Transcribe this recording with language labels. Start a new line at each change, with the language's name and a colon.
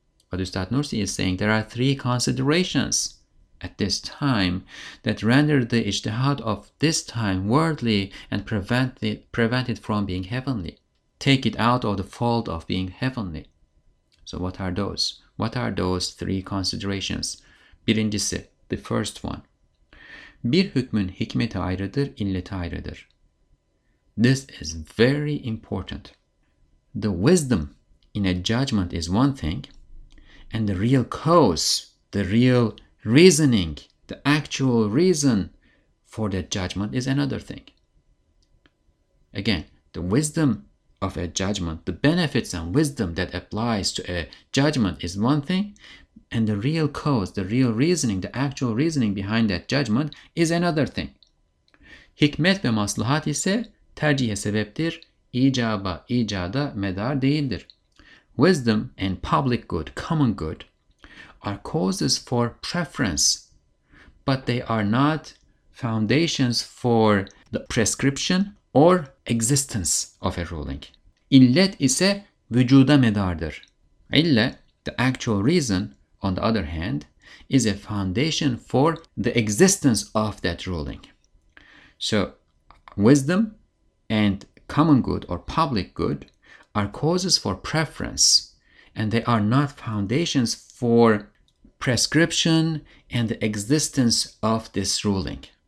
English: But Ustad Nursi is saying there are three considerations at this time that render the ijtihad of this time worldly and prevent it from being heavenly. Take it out of the fold of being heavenly. So what are those? What are those three considerations?
Turkish: Birincisi,
English: the first one.
Turkish: Bir hükmün hikmeti ayrıdır, illeti ayrıdır.
English: This is very important. The wisdom in a judgment is one thing, and the real cause, the real reasoning, the actual reason for that judgment is another thing. Again, the wisdom of a judgment, the benefits and wisdom that applies to a judgment is one thing, and the real cause, the real reasoning, the actual reasoning behind that judgment is another thing.
Turkish: Hikmet ve maslahat ise tercihe sebeptir, icaba, icada medar değildir.
English: Wisdom and public good, common good, are causes for preference, but they are not foundations for the prescription or existence of a ruling.
Turkish: İllet ise vücuda medardır.
English: İllet, the actual reason, on the other hand, is a foundation for the existence of that ruling. So, wisdom and common good or public good are causes for preference, and they are not foundations for prescription and the existence of this ruling.